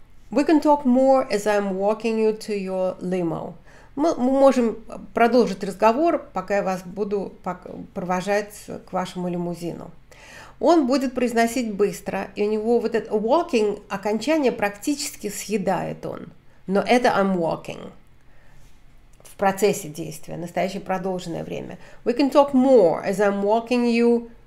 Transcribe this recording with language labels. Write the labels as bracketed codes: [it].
[en] We can talk more as I'm walking you to your limo. [ru] Мы можем продолжить разговор, пока я вас буду провожать к вашему лимузину. Он будет произносить быстро, и у него вот это walking окончание практически съедает он. Но это [en] I'm walking. [ru] В процессе действия, настоящее продолженное время. [en] We can talk more as I'm walking you.